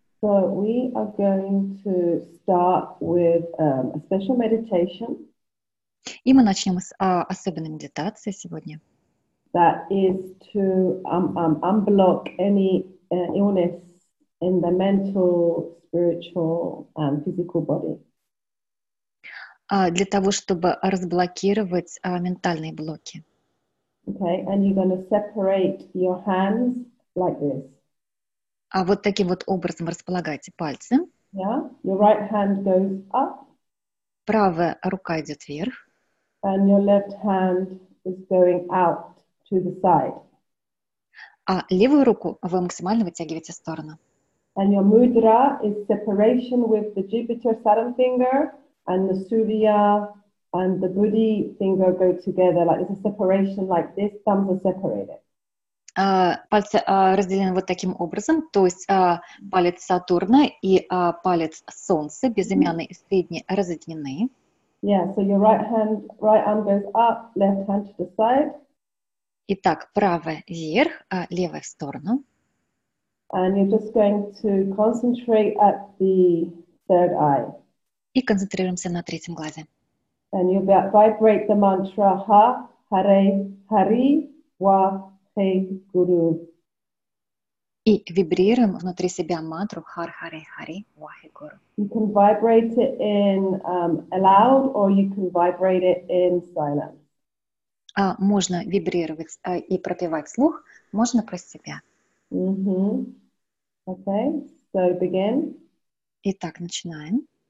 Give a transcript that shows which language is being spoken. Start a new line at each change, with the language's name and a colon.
English: So we are going to start with a special meditation.
Russian: И мы начнем с особенной медитации сегодня.
English: That is to unblock any illness in the mental, spiritual, and physical body.
Russian: Для того, чтобы разблокировать ментальные блоки.
English: Okay, and you're going to separate your hands like this.
Russian: Вот таким вот образом располагайте пальцы.
English: Yeah, your right hand goes up.
Russian: Правая рука идет вверх.
English: And your left hand is going out. To the side.
Russian: А левую руку вы максимально вытягиваете в сторону.
English: And your mudra is separation with the Jupiter Saturn finger and the Surya and the Buddhi finger go together. Like it's a separation like this, thumbs are separated.
Russian: Пальцы разделены вот таким образом, то есть палец Сатурна и палец Солнца, безымянный и средний, разъединены.
English: Yeah, so your right arm goes up, left hand to the side.
Russian: Итак, правая вверх, а левая в сторону.
English: And you're just going to concentrate at the third eye.
Russian: И концентрируемся на третьем глазе.
English: And you vibrate the mantra Ha Hare Hari Va Hey Guru.
Russian: И вибрируем внутри себя мантру Har Hare Hari Va Hey Guru.
English: You can vibrate it in aloud or you can vibrate it in silence.
Russian: Можно вибрировать и пропевать вслух, можно про себя.
English: Okay, so begin.
Russian: Итак, начинаем.